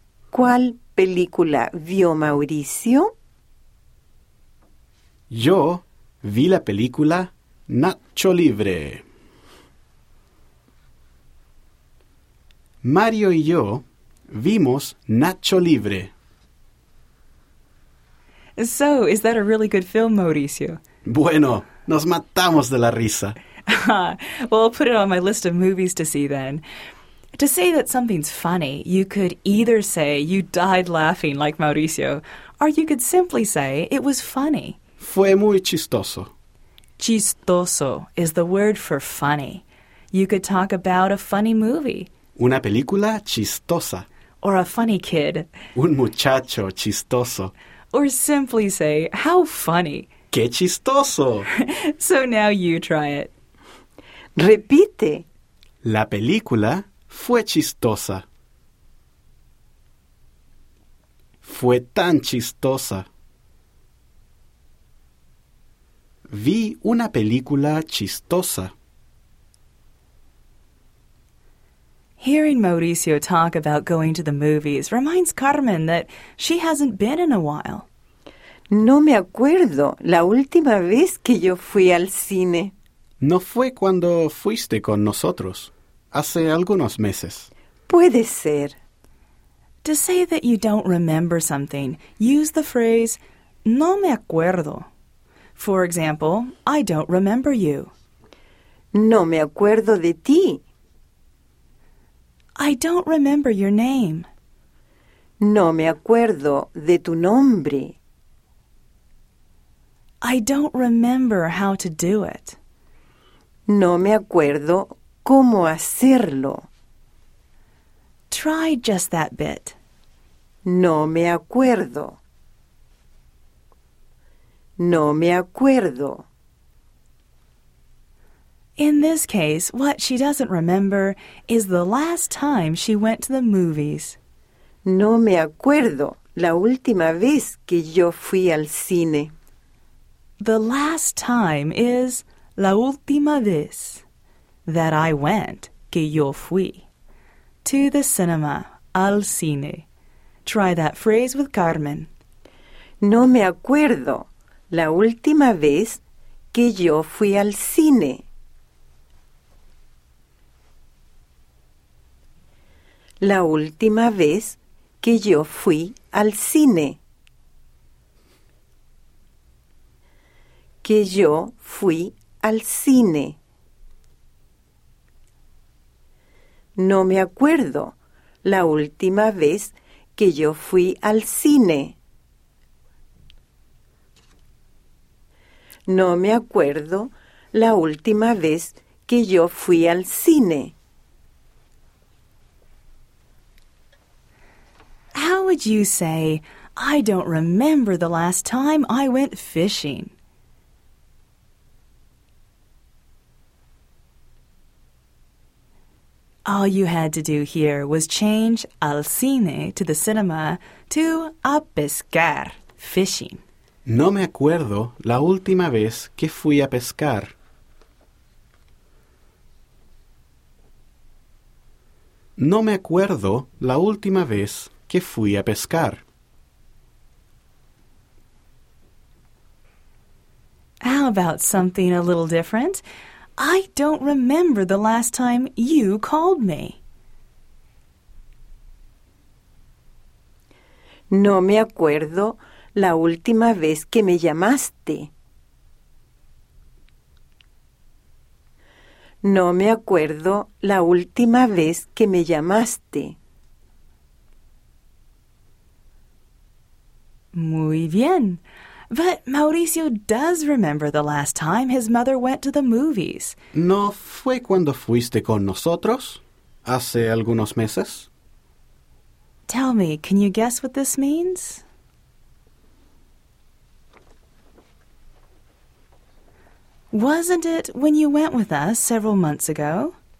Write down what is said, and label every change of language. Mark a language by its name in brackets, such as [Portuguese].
[Spanish] ¿Cuál película vio Mauricio? Yo vi la película Nacho Libre. Mario y yo vimos Nacho Libre. [English] So, is that a really good film, Mauricio? [Spanish] Bueno, nos matamos de la risa. [English] Well, I'll put it on my list of movies to see then. To say that something's funny, you could either say you died laughing like Mauricio, or you could simply say it was funny. [Spanish] Fue muy chistoso. [English] Chistoso is the word for funny. You could talk about a funny movie. [Spanish] Una película chistosa. [English] Or a funny kid. [Spanish] Un muchacho chistoso. [English] Or simply say, how funny. [Spanish] ¡Qué chistoso! [English] So now you try it. [Spanish] Repite. La película fue chistosa. Fue tan chistosa. Vi una película chistosa. [English] Hearing Mauricio talk about going to the movies reminds Carmen that she hasn't been in a while. [Spanish] No me acuerdo la última vez que yo fui al cine. No fue cuando fuiste con nosotros, hace algunos meses. Puede ser. [English] To say that you don't remember something, use the phrase, [Spanish] no me acuerdo. [English] For example, I don't remember you. [Spanish] No me acuerdo de ti. [English] I don't remember your name. [Spanish] No me acuerdo de tu nombre. [English] I don't remember how to do it. [Spanish] No me acuerdo cómo hacerlo. [English] Try just that bit. [Spanish] No me acuerdo. No me acuerdo. [English] In this case, what she doesn't remember is the last time she went to the movies. [Spanish] No me acuerdo La última vez que yo fui al cine. [English] The last time is [Spanish] la última vez [English] that I went, [Spanish] que yo fui, [English] to the cinema, [Spanish] al cine. [English] Try that phrase with Carmen. [Spanish] No me acuerdo la última vez que yo fui al cine. La última vez que yo fui al cine. Que yo fui al cine. No me acuerdo la última vez que yo fui al cine. No me acuerdo la última vez que yo fui al cine. [English] How would you say, I don't remember the last time I went fishing? All you had to do here was change [Spanish] al cine, [English] to the cinema, to [Spanish] a pescar, [English] fishing. [Spanish] No me acuerdo la última vez que fui a pescar. No me acuerdo la última vez que fui a pescar. [English] How about something a little different? I don't remember the last time you called me. [Spanish] No me acuerdo la última vez que me llamaste. No me acuerdo la última vez que me llamaste. Muy bien. [English] But Mauricio does remember the last time his mother went to the movies. [Spanish] ¿No fue cuando fuiste con nosotros? ¿Hace algunos meses? [English] Tell me, can you guess what this means? Wasn't it when you went with us several months ago?